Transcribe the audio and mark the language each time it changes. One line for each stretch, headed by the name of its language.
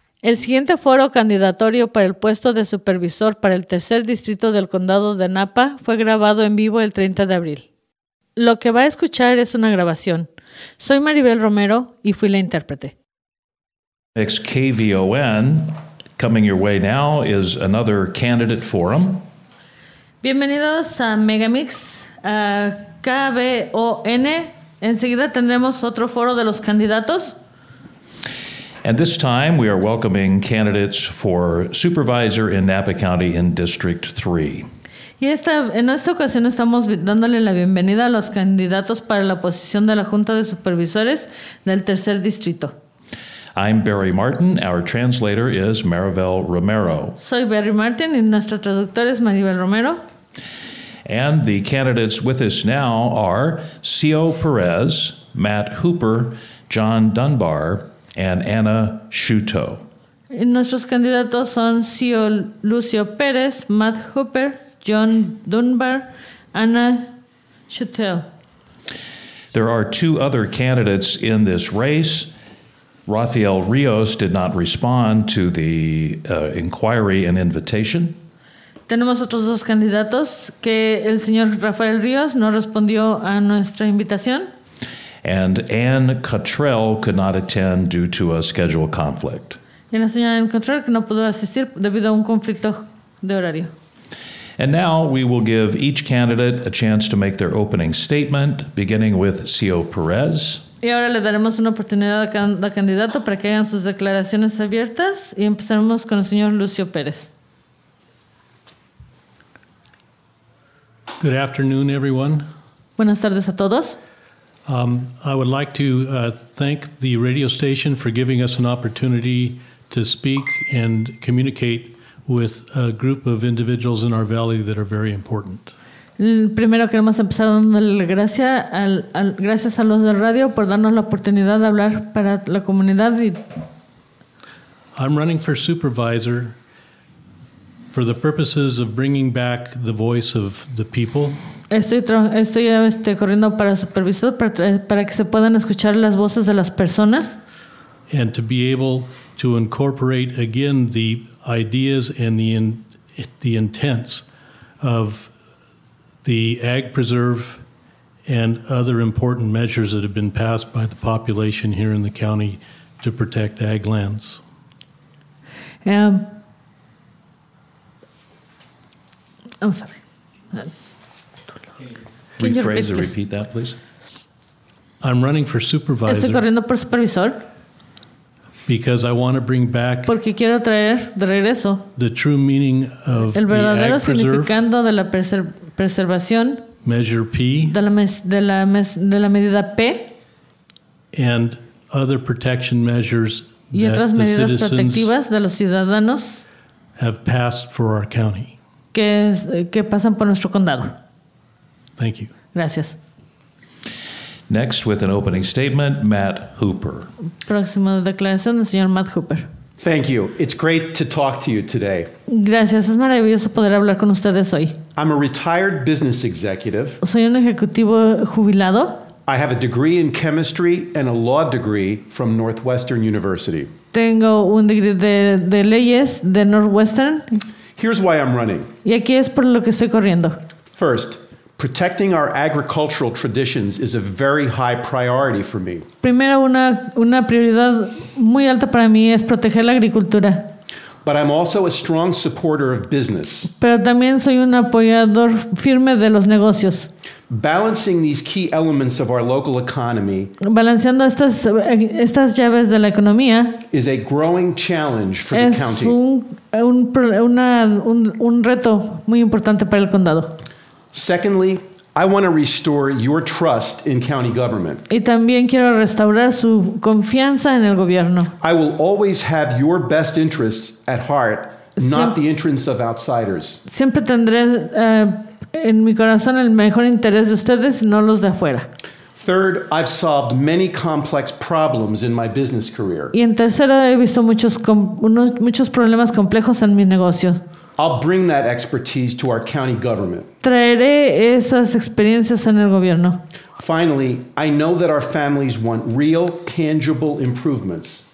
Spanish: El siguiente foro candidatorio para el puesto de supervisor para el tercer distrito del condado de Napa fue grabado en vivo el 30 de abril. Lo que va a escuchar es una grabación. Soy Maribel Romero y fui la intérprete.
English: KVON, coming your way now, is another candidate forum.
Spanish: Bienvenidos a Megamix, KVON. Enseguida tendremos otro foro de los candidatos.
English: And this time we are welcoming candidates for supervisor in Napa County in District 3.
Spanish: Y en esta ocasión estamos dándole la bienvenida a los candidatos para la posición de la Junta de Supervisores del Tercer Distrito.
English: I'm Barry Martin. Our translator is Maribel Romero.
Spanish: Soy Barry Martin y nuestro traductor es Maribel Romero.
English: And the candidates with us now are Cio Perez, Matt Hooper, John Dunbar, and Anna Shuto.
Spanish: Y nuestros candidatos son Cio Lucio Perez, Matt Hooper, John Dunbar, Anna Shuto.
English: There are two other candidates in this race. Rafael Rios did not respond to the inquiry and invitation.
Spanish: Tenemos otros dos candidatos que el señor Rafael Rios no respondió a nuestra invitación.
English: And Ann Cottrell could not attend due to a schedule conflict.
Spanish: Y la señora Ann Cottrell no pudo asistir debido a un conflicto de horario.
English: And now we will give each candidate a chance to make their opening statement, beginning with Cio Perez.
Spanish: Y ahora le daremos una oportunidad a cada candidato para que hagan sus declaraciones abiertas y empezaremos con el señor Lucio Perez.
English: Good afternoon, everyone.
Spanish: Buenas tardes a todos.
English: I would like to thank the radio station for giving us an opportunity to speak and communicate with a group of individuals in our valley that are very important.
Spanish: Primero queremos empezar dándole gracias a los de radio por darnos la oportunidad de hablar para la comunidad.
English: I'm running for supervisor for the purposes of bringing back the voice of the people.
Spanish: Estoy corriendo para supervisor para que se puedan escuchar las voces de las personas.
English: And to be able to incorporate again the ideas and the intents of the Ag Preserve and other important measures that have been passed by the population here in the county to protect ag lands. I'm sorry. Can you rephrase or repeat that, please? I'm running for supervisor.
Spanish: Estoy corriendo por supervisor.
English: Because I want to bring back
Spanish: porque quiero traer de regreso
English: the true meaning of
Spanish: el verdadero
English: the Ag Preserve,
Spanish: significando de la preservación
English: measure P,
Spanish: de la medida P
English: and other protection measures
Spanish: y otras
English: that the
Spanish: medidas
English: citizens
Spanish: protectivas de los ciudadanos
English: have passed for our county.
Spanish: Que pasan por nuestro condado.
English: Thank you.
Spanish: Gracias.
English: Next, with an opening statement, Matt Hooper.
Spanish: Próxima declaración, el señor Matt Hooper.
English: Thank you. It's great to talk to you today.
Spanish: Gracias. Es maravilloso poder hablar con ustedes hoy.
English: I'm a retired business executive.
Spanish: Soy un ejecutivo jubilado.
English: I have a degree in chemistry and a law degree from Northwestern University.
Spanish: Tengo un
English: degree
Spanish: de leyes de Northwestern.
English: Here's why I'm running.
Spanish: Y aquí es por lo que estoy corriendo.
English: First, protecting our agricultural traditions is a very high priority for me.
Spanish: Primero, una prioridad muy alta para mí es proteger la agricultura.
English: But I'm also a strong supporter of business.
Spanish: Pero también soy un apoyador firme de los negocios.
English: Balancing these key elements of our local economy,
Spanish: balanceando estas llaves de la economía,
English: is a growing challenge for the county.
Spanish: Es un reto muy importante para el condado.
English: Secondly, I want to restore your trust in county government.
Spanish: Y también quiero restaurar su confianza en el gobierno.
English: I will always have your best interests at heart, not the interests of outsiders.
Spanish: Siempre tendré en mi corazón el mejor interés de ustedes, no los de afuera.
English: Third, I've solved many complex problems in my business career.
Spanish: Y en tercero he visto muchos problemas complejos en mis negocios.
English: I'll bring that expertise to our county government.
Spanish: Traeré esas experiencias en el gobierno.
English: Finally, I know that our families want real, tangible improvements.